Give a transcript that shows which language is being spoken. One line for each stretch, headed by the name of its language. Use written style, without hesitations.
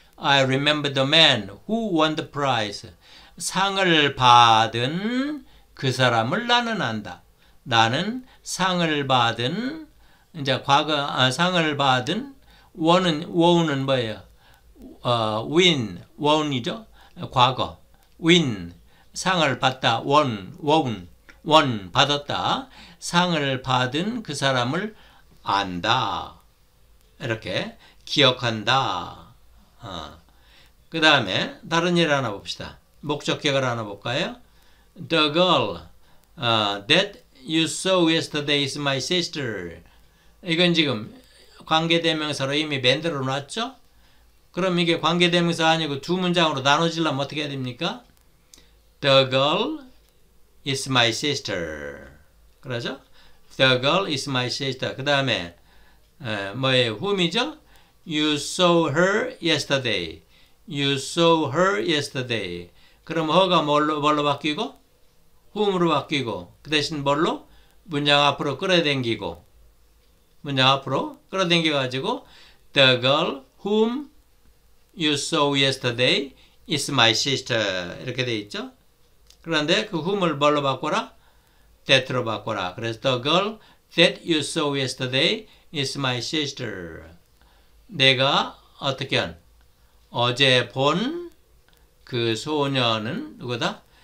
English: I remember the man who won the prize.
Korean: 상을 받은 그 사람을 나는 안다. 나는 상을 받은 이제 과거 상을 받은 won은 뭐예요? win won이죠. 과거 win 상을 받다 won 받았다. 상을 받은 그 사람을 안다. 이렇게 기억한다. 그 다음에 다른 일 하나 봅시다. 목적격을 하나 볼까요?
English: The girl that you saw yesterday is my sister.
Korean: 이건 지금 관계대명사로 이미 만들어 놨죠? 그럼 이게 관계대명사 아니고 두 문장으로 나눠지려면 어떻게 해야 됩니까?
English: The girl is my sister.
Korean: 그러죠?
English: The girl is my sister.
Korean: 그 다음에 뭐예요?
English: Whom이죠? You saw her yesterday. You saw her yesterday.
Korean: 그럼 her가 뭘로 바뀌고? Whom으로 바뀌고 그 대신 뭘로? 문장 앞으로 끌어당기고 문장 앞으로 끌어당겨가지고
English: The girl whom you saw yesterday is my sister.
Korean: 이렇게 돼있죠? 그런데 그 whom을 뭘로 바꿔라? That로 바꿔라. 그래서
English: The girl that you saw yesterday is my sister.
Korean: 내가 어떻게 한? 어제 본 그 소녀는 누구다?